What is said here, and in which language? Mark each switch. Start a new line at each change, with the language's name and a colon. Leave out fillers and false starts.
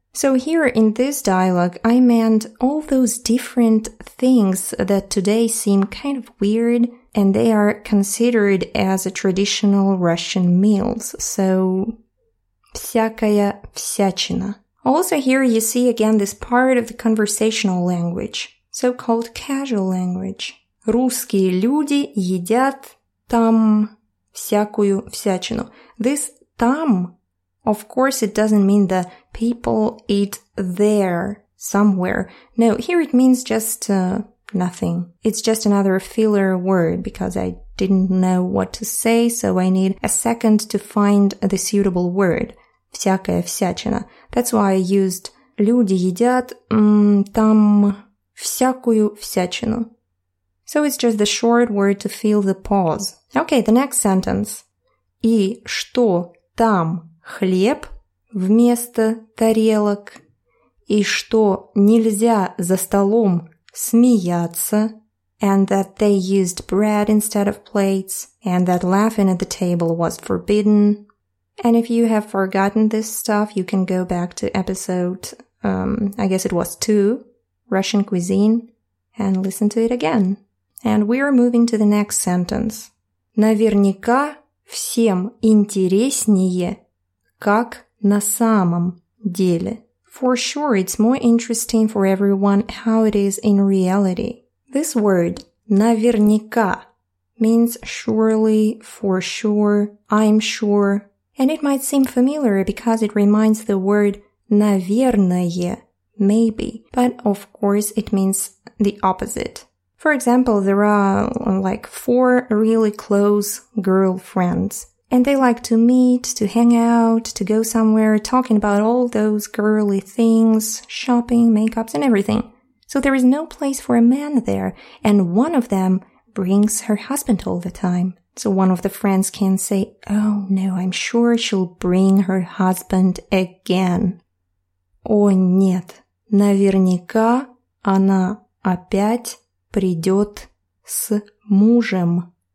English: So here in this dialogue, I meant all those different things that today seem kind of weird, and they are considered as a traditional Russian meals. So,
Russian: всякая всячина.
English: Also here you see again this part of the conversational language, so-called casual language.
Russian: Русские люди едят там всякую всячину.
English: This там, of course, it doesn't mean that people eat there somewhere. No, here it means just nothing. It's just another filler word because I didn't know what to say, so I need a second to find the suitable word.
Russian: Всякая всячина.
English: That's why I used
Russian: люди едят там всякую всячину.
English: So it's just the short word to fill the pause. Okay, the next sentence.
Russian: И что там хлеб вместо тарелок, и что нельзя за столом смеяться,
English: and that they used bread instead of plates, and that laughing at the table was forbidden. And if you have forgotten this stuff, you can go back to episode, I guess it was 2, Russian cuisine, and listen to it again. And we are moving to the next sentence. Наверняка всем интереснее, как на самом деле. For sure, it's more interesting for everyone how it is in reality. This word,
Russian: наверняка,
English: means surely, for sure, I'm sure. And it might seem familiar because it reminds the word наверное, maybe. But of course, it means the opposite. For example, there are like 4 really close girlfriends. And they like to meet, to hang out, to go somewhere, talking about all those girly things, shopping, makeups and everything. So there is no place for a man there. And one of them brings her husband all the time. So one of the friends can say, oh no, I'm sure she'll bring her husband again.
Russian: О нет, наверняка она опять придет с мужем.